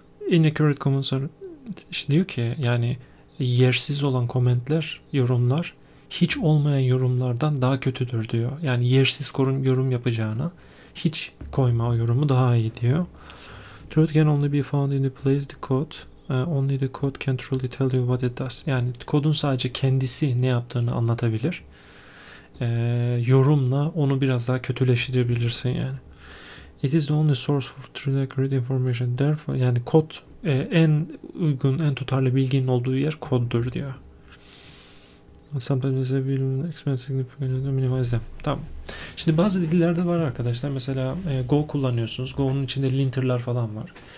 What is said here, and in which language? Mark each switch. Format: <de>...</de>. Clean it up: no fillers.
<en>Inaccurate comments</en> <tr>işte diyor ki yani yersiz olan komentler, yorumlar hiç olmayan yorumlardan daha kötüdür diyor. Yani yersiz yorum yapacağına hiç koyma, o yorumu daha iyi diyor.</tr> <en>Truth can only be found in the place the code. Only the code can truly tell you what it does.</en> <tr>Yani kodun sadece kendisi ne yaptığını anlatabilir. Yorumla onu biraz daha kötüleştirebilirsin yani.</tr> <en>It is the only source for truly accurate information.</en> <tr>Therefore, yani kod en uygun, en tutarlı bilginin olduğu yer koddur diyor.</tr> <en>Sometimes expensive minimize.</en> <tr>Tamam. Şimdi bazı dillerde var arkadaşlar. Mesela Go kullanıyorsunuz. Go'nun içinde linter'lar falan var.</tr>